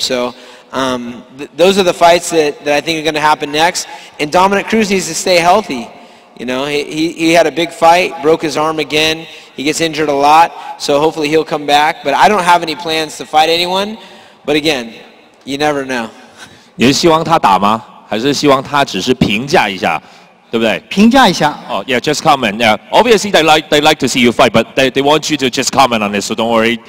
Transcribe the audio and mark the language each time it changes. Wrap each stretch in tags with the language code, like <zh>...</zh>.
<en>So those are the fights that I think are going to happen next. And Dominic Cruz needs to stay healthy. You know, he had a big fight, broke his arm again. He gets injured a lot, so hopefully he'll come back. But I don't have any plans to fight anyone. But again, you never know.</en> <zh>你是希望他打吗？还是希望他只是评价一下？对不对？评价一下。</zh> <en>Oh, yeah, just comment. Yeah. Obviously, they like to see you fight, but they want you to just comment on this, so don't worry.</en>